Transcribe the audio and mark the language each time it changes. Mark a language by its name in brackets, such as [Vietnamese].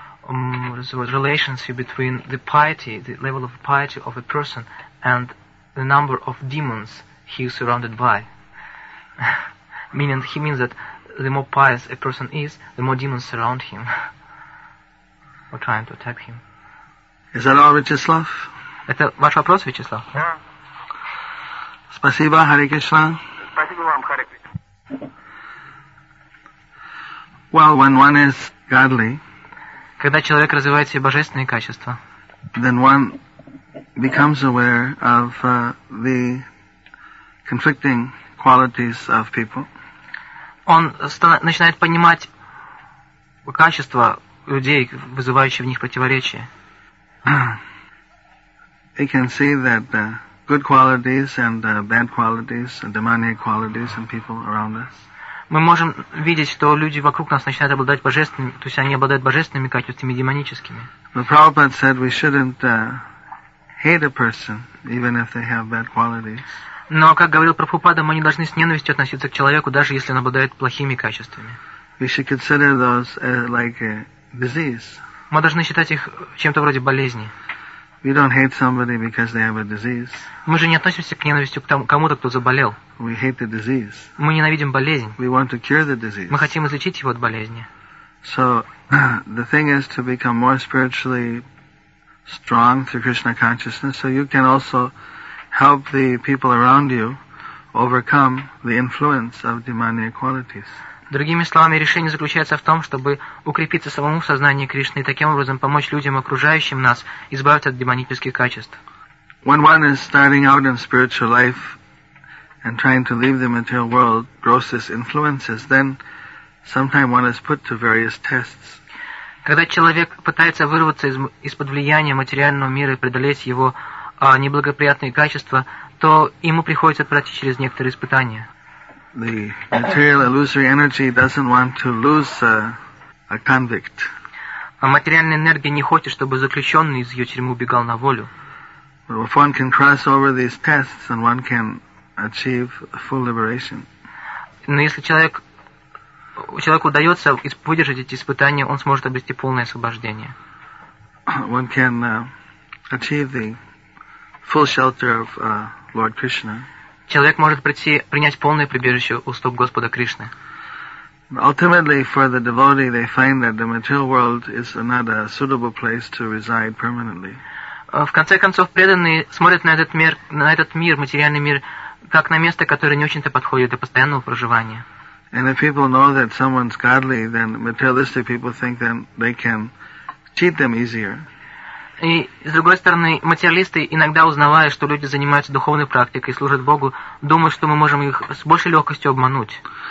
[English] Is there such a relationship between the piety, the level of piety of a person, and the number of demons he is surrounded by? he means that the more pious a person is, the more demons surround him or trying to attack him. Is that all, Vyacheslav? [Russian] Это ваш вопрос, Вячеслав? Да. Спасибо, Hare Krishna. Спасибо вам, Hare Krishna. [English] Well, when one is godly, [Russian] когда человек развивает все божественные качества, [English] then one becomes aware of the conflicting qualities of people. [Russian] Он начинает понимать качества людей, вызывающие в них противоречия. [English] He can see that good qualities and bad qualities, demonic qualities in people around us. [Russian] Мы можем видеть, что люди вокруг нас начинают обладать божественными, то есть они обладают божественными качествами, демоническими. [English] The Prabhupada said we shouldn't hate a person, even if they have bad qualities. [Russian] Но, как говорил Прабхупада, мы не должны с ненавистью относиться к человеку, даже если он обладает плохими качествами. [English] We should consider those like a disease. [Russian] Мы должны считать их чем-то вроде болезни. [English] We don't hate somebody because they have a disease. [Russian] Мы же не относимся к ненавистью к кому-то, кто заболел. [English] We hate the disease. [Russian] Мы ненавидим болезнь. [English] We want to cure the disease. [Russian] Мы хотим излечить его от болезни. [English] So the thing is to become more spiritually strong through Krishna consciousness, so you can also help the people around you overcome the influence of demonic qualities. [Russian] Другими словами, решение заключается в том, чтобы укрепиться самому в сознании Кришны и таким образом помочь людям, окружающим нас, избавиться от демонических качеств. [English] When one is starting out in spiritual life and trying to leave the material world, grossest influences, then sometimes one is put to various tests. [Russian] Когда человек пытается вырваться из-под влияния материального мира и преодолеть его неблагоприятные качества, то ему приходится пройти через некоторые испытания. [English] The material illusory energy doesn't want to lose a convict. [Russian] А материальная энергия не хочет, чтобы заключенный из ее тюрьмы убегал на волю. [English] But if one can cross over these tests, then one can achieve full liberation. [Russian] Но если человеку удается выдержать эти испытания, он сможет обрести полное освобождение. [English] One can achieve the full shelter of Lord Krishna. [Russian] Человек может принять полное прибежище у стоп Господа Кришны. [English] Ultimately, for the devotee, they find that the material world is not a suitable place to reside permanently. [Russian] В конце концов, преданные смотрят на этот мир, материальный мир, как на место, которое не очень-то подходит для постоянного проживания. [English] And if people know that someone's godly, then materialistic people think that they can cheat them easier. [Russian] И, с другой стороны, материалисты, иногда узнавая, что люди занимаются духовной практикой и служат Богу, думают, что мы можем их с большей легкостью обмануть.